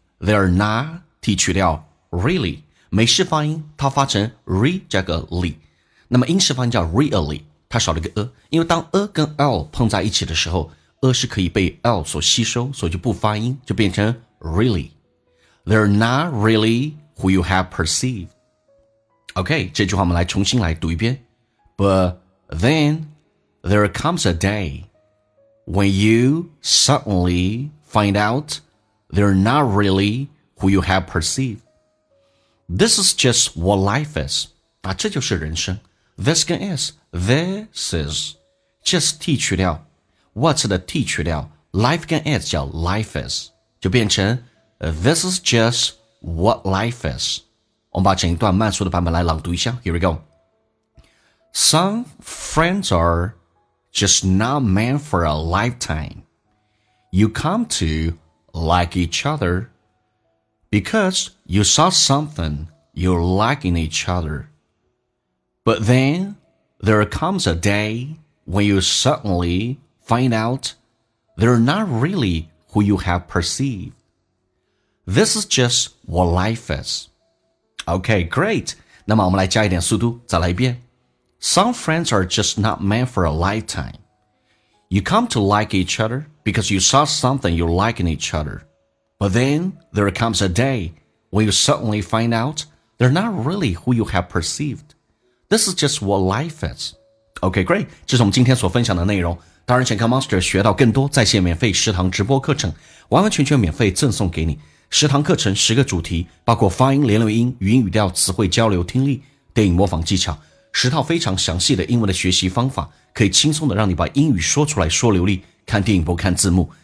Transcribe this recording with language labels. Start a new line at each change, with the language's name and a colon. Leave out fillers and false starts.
English: They are not
Chinese: 去掉 really， 美式发音它发成 re 加个 li， 那么英式发音叫 really， 它少了一个 a， 因为当 a 跟 l 碰在一起的时候， a 是可以被 l 所吸收，所以就不发音，就变成 really。
English: They are not really who you have perceived.
Chinese: OK， 这句话我们来重新来读一遍。
English: But then, there comes a day when you suddenly find out they're not really who you have perceived. This is just what life is. 啊，
Chinese: 这就是人生。
English: This 跟 is, this is, just T 去掉 ，what's 的 T 去掉 ，life 跟 is 叫 life is，
Chinese: 就变成
English: this is just what life is。
Chinese: 我们把整一段慢速的版本来朗读一下。
English: Here we go. Some friends are just not meant for a lifetime. You come to like each other because you saw something you like in each other. But then there comes a day when you suddenly find out they're not really who you have perceived. This is just what life is. Okay, great.
Chinese: 那么我们来加一点速度，再来一遍。
English: Some friends are just not meant for a lifetime. You come to like each other because you saw something you like in each other. But then there comes a day when you suddenly find out they're not really who you have perceived. This is just what life is. Okay, great.
Chinese: 这是我们今天所分享的内容。当然想看 Monster 学到更多在线免费食堂直播课程，完完全全免费赠送给你。食堂课程十个主题，包括发音、连留音、语音语调、词汇交流、听力、电影模仿技巧，十套非常详细的英文的学习方法，可以轻松的让你把英语说出来说流利，看电影不看字幕。